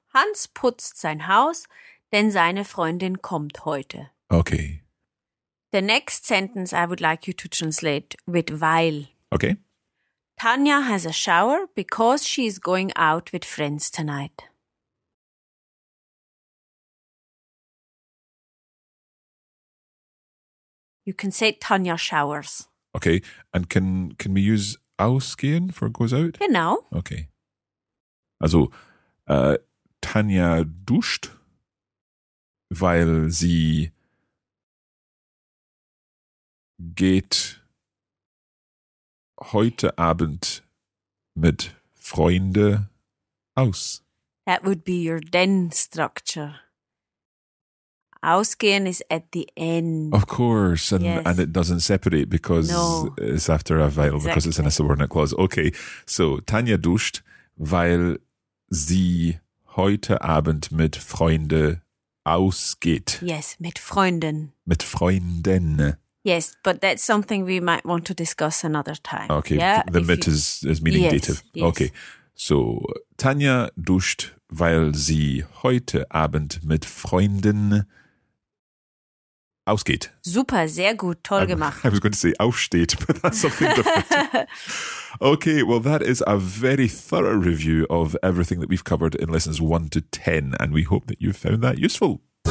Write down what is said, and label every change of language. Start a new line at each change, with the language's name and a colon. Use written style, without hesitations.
German: Hans putzt sein Haus, denn seine Freundin kommt heute.
English: Okay. The next sentence I would like you to translate with weil. Okay. Tanja has a shower because she is going out with friends tonight. You can say Tanja showers. Okay. And can we use ausgehen for goes out?
German: Genau.
English: Okay.
German: Also, Tanja duscht, weil sie geht heute Abend mit Freunde aus.
English: That would be your denn structure. Ausgehen is at the end. Of course. And, yes. And it doesn't separate because it's after a weil, exactly. Because it's in a subordinate clause. Okay.
German: So, Tanja duscht, weil sie heute Abend mit Freunde ausgeht. Yes, mit Freunden. Mit Freunden.
English: Yes, but that's something we might want to discuss another time. Okay, yeah? The mit is meaning dative. Yes.
German: Okay, so Tanja duscht, weil sie heute Abend mit Freunden ausgeht. Super, sehr gut, toll gemacht.
English: I was going to say aufsteht, but that's something different. Okay, well, that is a very thorough review of everything that we've covered in lessons 1 to 10, and we hope that you found that useful.